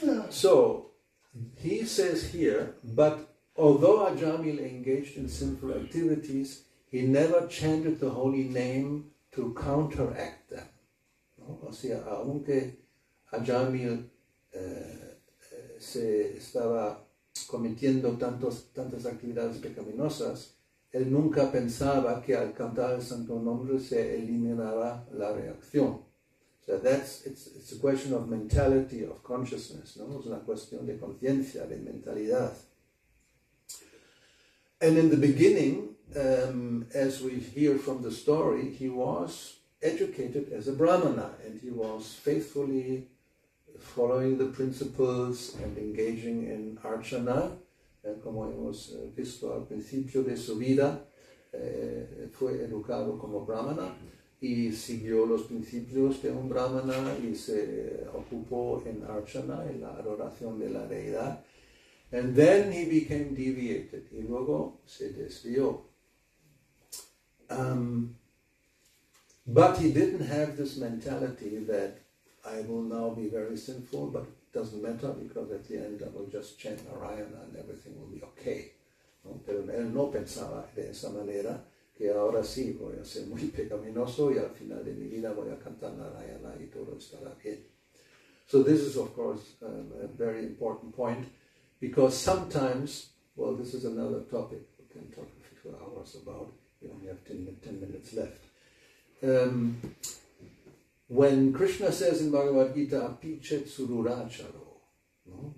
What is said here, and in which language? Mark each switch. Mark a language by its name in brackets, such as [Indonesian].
[English] So, he says here, but although Ajamil engaged in sinful activities, he never chanted the holy name to counteract them. [Spanish] ¿No? O sea, aunque Ajamil se estaba cometiendo tantas actividades pecaminosas, él nunca pensaba que al cantar el santo nombre se eliminara la reacción. [English] So that's it's a question of mentality, of consciousness, [Spanish] ¿no? Es una cuestión de conciencia, de mentalidad. [English] And in the beginning, as we hear from the story, he was educated as a Brahmana, and he was faithfully following the principles and engaging in archana, [Spanish] como hemos visto al principio de su vida, fue educado como Brahmana y siguió los principios de un Brahmana y se ocupó en archana, en la adoración de la deidad. [English] And then he became deviated, [Spanish] y luego se desvió. [English] But he didn't have this mentality that I will now be very sinful, but it doesn't matter because at the end I will just chant Narayana and everything will be okay. [Spanish] ¿No? Pero él no pensaba de esa manera, que ahora sí voy a ser muy pecaminoso y al final de mi vida voy a cantar Narayana y todo estará bien. [English] So this is of course a very important point, because sometimes, well, this is another topic we can talk a few hours about, we only have 10 minutes left. When Krishna says in Bhagavad Gita, Pichet Sururacharo, no?